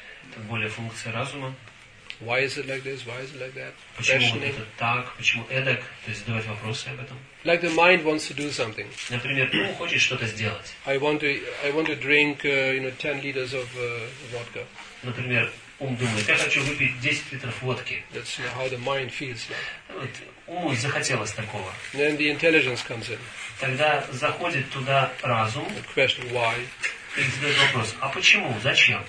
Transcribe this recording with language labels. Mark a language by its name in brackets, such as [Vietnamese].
[Russian] Это более функция разума. [English] Why is it like this? Why is it like that? [Russian] Почему это так? Почему эдак? То есть задавать вопросы об этом. [English] Like the mind wants to do something. [Russian] Например, ум хочет что-то сделать. [English] I want to drink, you know, 10 liters of vodka. [Russian] Например, ум думает, я хочу выпить 10 литров водки. [English] That's how the mind feels. [Russian] Вот уму захотелось такого. [English] Then the intelligence comes in. [Russian] Тогда заходит туда разум. [English] The question why? [Russian] И задает вопрос, а почему, зачем?